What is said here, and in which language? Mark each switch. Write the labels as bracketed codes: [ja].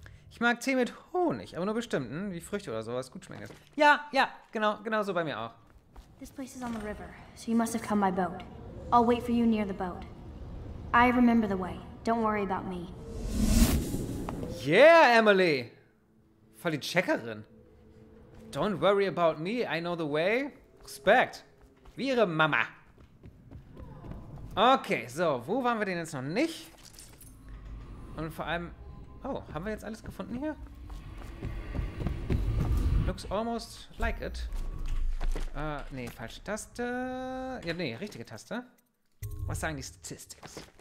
[de] Ich mag Tee mit Honig, aber nur bestimmten, wie Früchte oder sowas gut schmecken. Ja, genau so bei mir auch. [en] This place is on the river, so you must have come by boat. I'll wait for you near the boat. I remember the way. Don't worry about me. [de] Yeah, Emily! Voll die Checkerin. [en] Don't worry about me, I know the way. [de] Respekt. Wie ihre Mama. Okay, so, wo waren wir denn jetzt noch nicht? Und vor allem... Oh, haben wir jetzt alles gefunden hier? [en] Looks almost like it. [de] Nee, falsche Taste. Ja, nee, richtige Taste. Was sagen die Statistics?